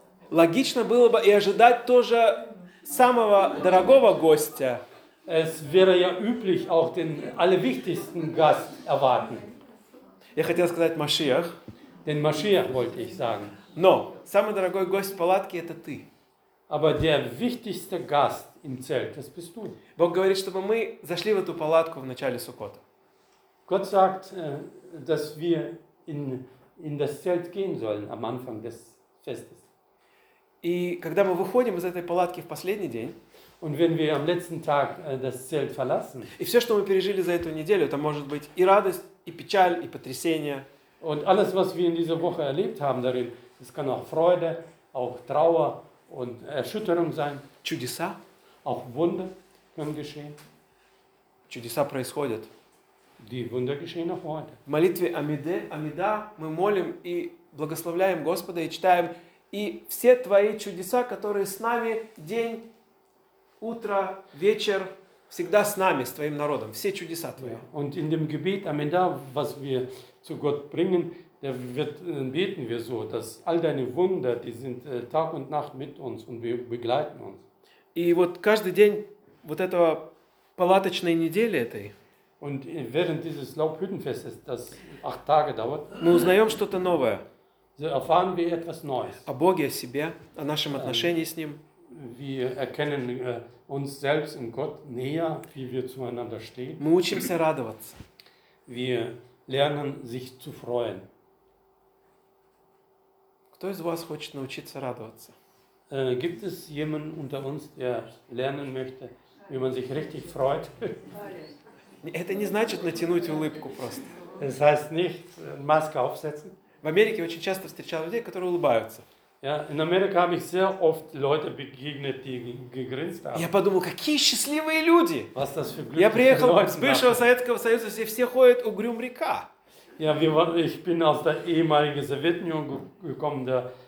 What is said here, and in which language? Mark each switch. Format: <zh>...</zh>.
<ru>Логично было бы и ожидать тоже самого дорогого гостя.</ru> <de>Es wäre ja üblich, auch den allerwichtigsten Gast erwarten.</de> <ru>Я хотел сказать Машиах.</ru> <de>Den Машиах wollte ich sagen.</de> <ru>Но самый дорогой гость в палатке – это ты.</ru> <de>Aber der wichtigste Gast im Zelt, das bist du.</de> <ru>Бог говорит, чтобы мы зашли в эту палатку в начале Суккота.</ru> <de>Gott sagt, dass wir in das Zelt gehen sollen am Anfang des Festes.</de> <ru>И когда мы выходим из этой палатки в последний день,</ru> <de>und wenn wir am letzten Tag das Zelt verlassen,</de> <ru>и все, что мы пережили за эту неделю, это может быть и радость, и печаль, и потрясение.</ru> <de>Und alles, was wir in dieser Woche erlebt haben darin, es kann auch Freude, auch Trauer und Erschütterung sein.</de> <ru>Чудеса.</ru> <de>Auch Wunder können geschehen.</de> <ru>Чудеса происходят.</ru> <de>Die Wunder geschehen auch heute.</de> <ru>В молитве Амида мы молим и благословляем Господа и читаем и все твои чудеса, которые с нами день, утро, вечер, всегда с нами, с твоим народом. Все чудеса твои.</ru> <de>Und in dem Gebet Амида, was wir zu Gott bringen, da wird beten wir so, dass all deine Wunder, die sind Tag und Nacht mit uns und wir begleiten uns.</de> <ru>И вот каждый день вот этого палаточной недели этой.</ru> <de>Und während dieses Laubhüttenfestes, das 8 Tage dauert.</de> <ru>Мы узнаем что-то новое.</ru> <de>So erfahren wir etwas Neues.</de> <ru>О Боге, о себе, о нашем отношении с ним.</ru> <de>Wir erkennen uns selbst und Gott näher, wie wir zueinander stehen.</de> <ru>Мы учимся радоваться.</ru> <de>Wir lernen, sich zu freuen.</de> <ru>Кто из вас хочет научиться радоваться?</ru> <de>Gibt es jemanden unter uns, der lernen möchte, wie man sich richtig freut?</de> <ru>Это не значит натянуть улыбку просто.</ru> <de>Das heißt nicht, Maske aufsetzen.</de> <ru>В Америке очень часто встречал людей, которые улыбаются.</ru> <de>Ja, in Amerika habe ich sehr oft Leute begegnet, die gegrinst haben.</de> <ru>Я подумал, какие счастливые люди.</ru> <de>Was das für Glück.</de> <ru>Я приехал из бывшего Советского Союза, все ходят угрюм река.</ru> <de>Ja, ich bin aus der ehemaligen Sowjetunion gekommen, da</de>